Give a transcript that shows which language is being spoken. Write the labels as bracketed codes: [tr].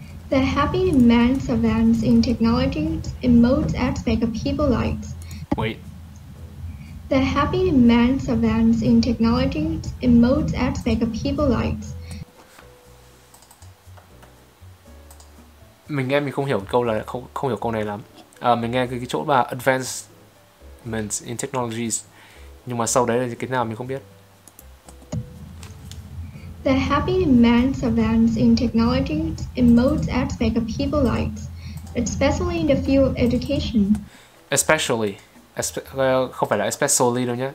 [en] The happy man's advance in technology in most aspects of people's lives. Wait. The happy man's advance in technology in most aspects of people's lives. [vi] Mình nghe mình không hiểu câu là không hiểu câu này lắm. Mình nghe cái chỗ là [en] advancements in technologies, [vi] nhưng mà sau đấy là cái nào mình không biết. [en] The happy man's advance in technologies in most aspects of people's lives, especially in the field of education. [vi] Especially, không phải là especially đâu nhá.